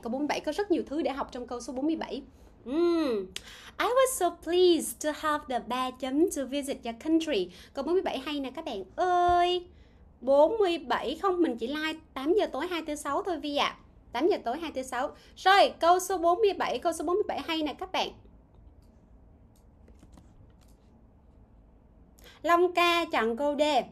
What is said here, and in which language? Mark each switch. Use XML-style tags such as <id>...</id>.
<vi>Câu 47 có rất nhiều thứ để học trong câu số 47.</vi> <en>I was so pleased to have the</en> <vi>ba chấm</vi> <en>to visit your country.</en> <vi>Câu 47 hay nè các bạn ơi. 47 không, mình chỉ like 8 giờ tối 2 tới 6 thôi Vi ạ. 8 giờ tối 2 tới 6. Rồi câu số 47. Câu số 47 hay nè các bạn. Long ca chọn câu D.</vi>